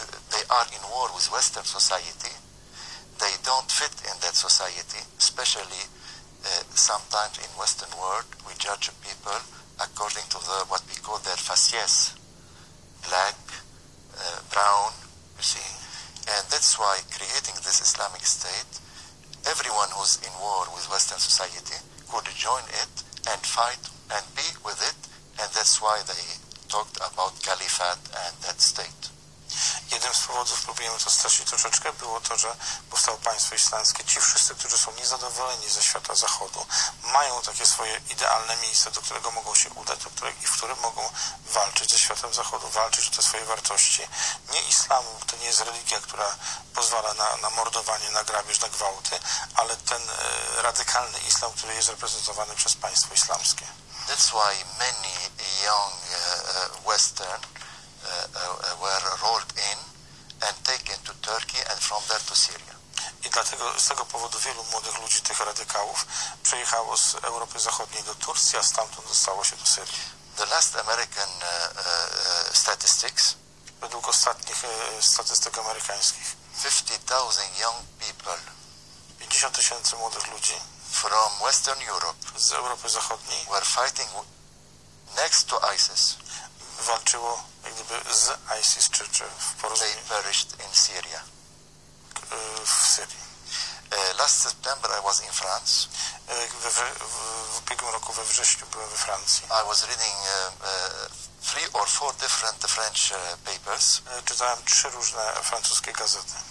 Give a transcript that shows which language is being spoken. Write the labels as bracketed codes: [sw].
[en] They are in war with Western society. They don't fit in that society, especially sometimes in Western world we judge people according to what we call their facies, black, brown, you see. And that's why creating this Islamic State, everyone who's in war with Western society could join it and fight and be with it, and that's why they talked about caliphate and that state. [pl] Jednym z powodów, próbujemy to stracić troszeczkę, było to, że powstało państwo islamskie. Ci wszyscy, którzy są niezadowoleni ze świata zachodu, mają takie swoje idealne miejsce, do którego mogą się udać, w którym mogą walczyć ze światem zachodu, walczyć o te swoje wartości. Nie islamu, to nie jest religia, która pozwala na mordowanie, na grabież, na gwałty, ale ten radykalny islam, który jest reprezentowany przez państwo islamskie. [en] That's why many young Western were rolled in and taken to Turkey and from there to Syria. [pl] I dlatego z tego powodu wielu młodych ludzi, tych radykałów, przejechało z Europy Zachodniej do Turcji, a stamtąd dostało się do Syrii. [en] The last American statistics. [pl] Według ostatnich statystyk amerykańskich. [en] 50,000 young people. [pl] 50,000 młodych ludzi. [en] From Western Europe. [pl] Z Europy Zachodniej. [en] Were fighting next to ISIS. [pl] Walczyło jak gdyby z ISIS czy w porozumieniu. [en] They perished in Syria. [pl] W Syrii. [en] Last September I was in France. [pl] W ubiegłym roku we wrześniu byłem we Francji. [en] I was reading three or four different French papers. [pl] Czytałem trzy różne francuskie gazety.